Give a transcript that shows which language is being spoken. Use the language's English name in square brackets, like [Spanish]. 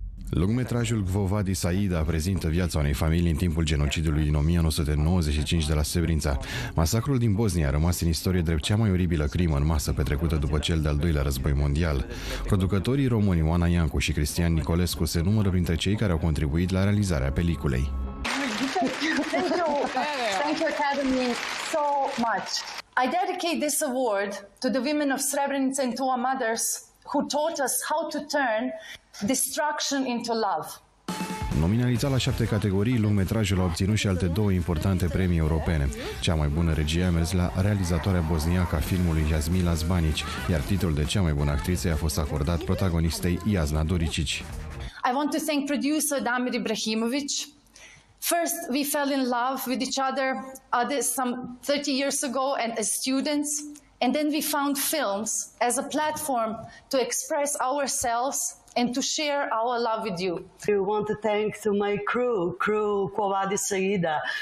[Romanian] Lungmetrajul Quo Vadis Aida prezintă viața unei familii în timpul genocidului din 1995 de la Srebrenica. Masacrul din Bosnia a rămas în istorie drept cea mai oribilă crimă în masă petrecută după cel de-al doilea război mondial. Producătorii români Oana Iancu și Cristian Nicolescu se numără printre cei care au contribuit la realizarea peliculei. [English] Thank you Academy so much. I dedicate this award to the women of Srebrenica and to our mothers who taught us how to turn destruction into love. [Romanian] Nominalizat la 7 categorii, lungmetrajul a obținut și alte două importante premii europene. Cea mai bună regie a mers la realizatoarea bosniacă a filmului Jasmila Zbanić, iar titlul de cea mai bună actriță a fost acordat protagonistei Jasna Doricic. [English] I want to thank producer Damir Ibrahimović. First, we fell in love with each other some 30 years ago and as students, and then we found films as a platform to express ourselves and to share our love with you. I want to thank to my crew Quo Vadis Aida.